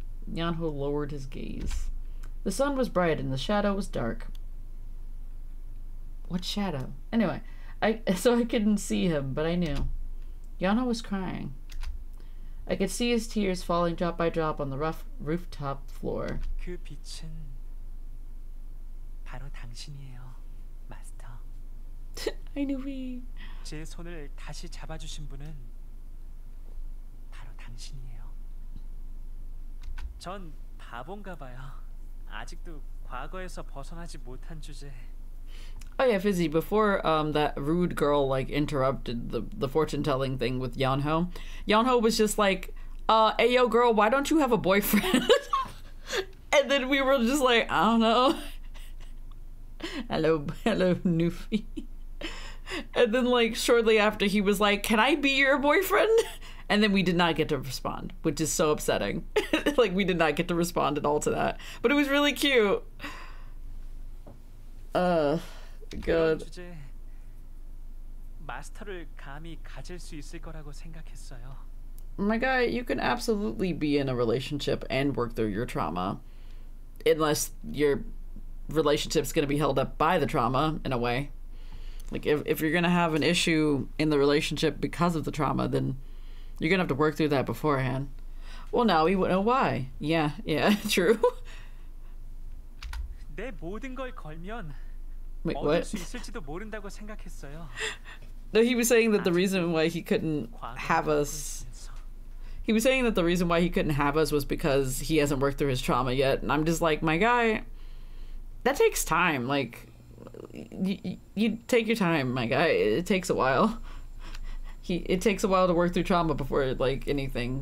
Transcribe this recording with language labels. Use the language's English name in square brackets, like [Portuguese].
[English] Yeonho lowered his gaze. The sun was bright and the shadow was dark. What shadow? Anyway, I couldn't see him, but I knew. Yeonho was crying. I could see his tears falling drop by drop on the rough rooftop floor. [Korean] 그 빛은 바로 당신이에요, 마스터. [English] I knew he. [Korean] 제 손을 다시 잡아주신 분은 바로 당신이에요. 전 바본가 봐요. 아직도 과거에서 벗어나지 못한 주제. [English] Oh yeah, Fizzy, before that rude girl like interrupted the fortune telling thing with Yeonho, Yeonho was just like, ayo girl, why don't you have a boyfriend? And then we were just like, I don't know. Hello, Nufi. And then, like, shortly after, he was like, can I be your boyfriend? And then we did not get to respond, which is so upsetting. Like, we did not get to respond at all to that. But it was really cute. Good. [Korean] 마스터를 감히 가질 수 있을 거라고 생각했어요. [English] My guy, you can absolutely be in a relationship and work through your trauma. Unless your relationship's going to be held up by the trauma, in a way. Like, if you're going to have an issue in the relationship because of the trauma, then you're going to have to work through that beforehand. Well, now we know why. Yeah, true. [Korean] 내 모든 걸 걸면 [English] Wait, what? [Korean] 얻을 수 있을지도 모른다고 생각했어요. [English] No, he was saying that the reason why he couldn't have us... He was saying that the reason why he couldn't have us was because he hasn't worked through his trauma yet. And I'm just like, my guy, that takes time. Like, you take your time, my guy. It takes a while. It takes a while to work through trauma before, like, anything.